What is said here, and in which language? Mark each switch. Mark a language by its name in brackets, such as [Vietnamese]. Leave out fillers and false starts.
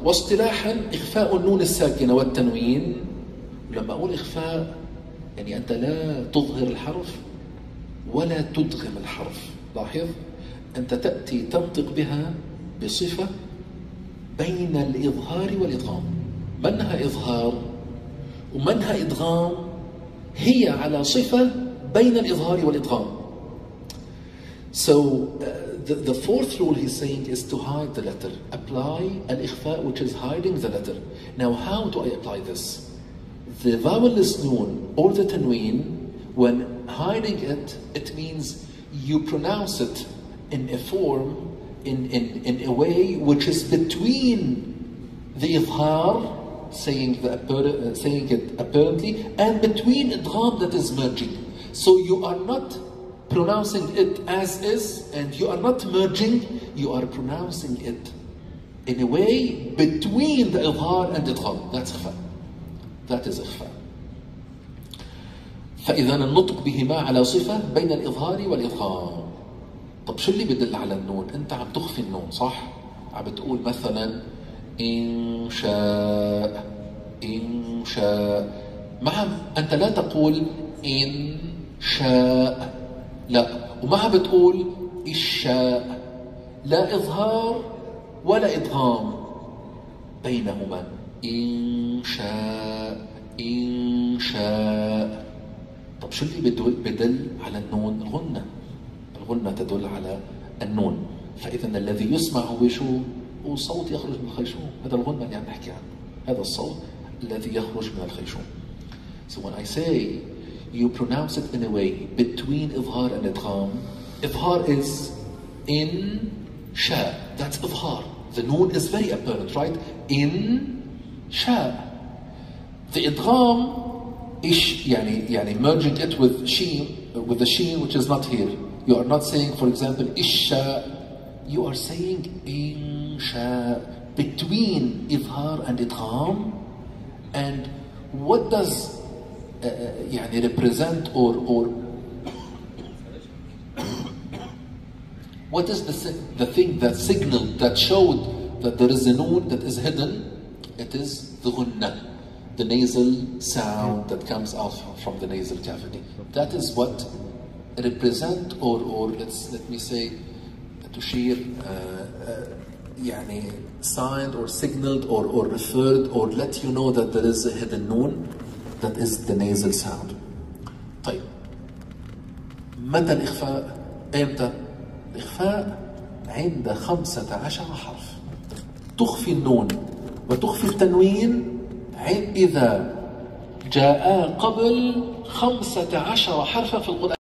[Arabic] واصطلاحا إخفاء النون الساكنة والتنوين. لما أقول إخفاء يعني أنت لا تظهر الحرف ولا تدغم الحرف. لاحظ أنت تأتي تنطق بها بصفة بين الإظهار والإدغام. منها إظهار ومنها إدغام هي على صفة بين الإظهار والإدغام. [English] So the fourth rule he's saying is to hide the letter. Apply al-ikhfa, which is hiding the letter. Now, how do I apply this? The vowelless noon or the tanween, when hiding it, it means you pronounce it in a form, in a way which is between the idhar, saying it apparently, and between idgham that is merging. So you are not pronouncing it as is, and you are not merging, you are pronouncing it in a way between the idhar and idgham. That's ikhfa. That is ikhfa. [Arabic] فإذا النطق بهما على صفة بين الإظهار والإضغام. طب شو اللي بدل على النون؟ أنت عم تخفي النون صح؟ عم بتقول مثلا إنشاء إنشاء. ما عم أنت لا تقول إنشاء، لا، وما عم بتقول إشاء، لا إظهار ولا إضغام بينهما. إنشاء إنشاء. طب شو اللي بدل على النون؟ الغنة. الغنة تدل على النون. فإذا الذي يسمع هو شو؟ هو صوت يخرج من الخيشوم. هذا الغنة اللي عم نحكي عنه. هذا الصوت الذي يخرج من الخيشوم. [English] So when I say you pronounce it in a way between إظهار and إدغام. إظهار is in شاء. That's إظهار. The noon is very apparent, right? In شاء. The إدغام ish يعني يعني merging it with sheen with the sheen which is not here. You are not saying for example isha, you are saying insha, between izhar and idgham. And what does يعني represent or what is the thing that signaled that showed that there is a noon that is hidden? It is the ghunna, the nasal sound that comes out from the nasal cavity. That is what represent or let me say تشير يعني signed or signaled or referred or let you know that there is a hidden noon that is the nasal sound. [Arabic] طيب متى الإخفاء؟ أمتى الإخفاء؟ عند 15 حرف تخفي النون وتخفي التنوين إذا جاء قبل 15 حرفا في القرآن.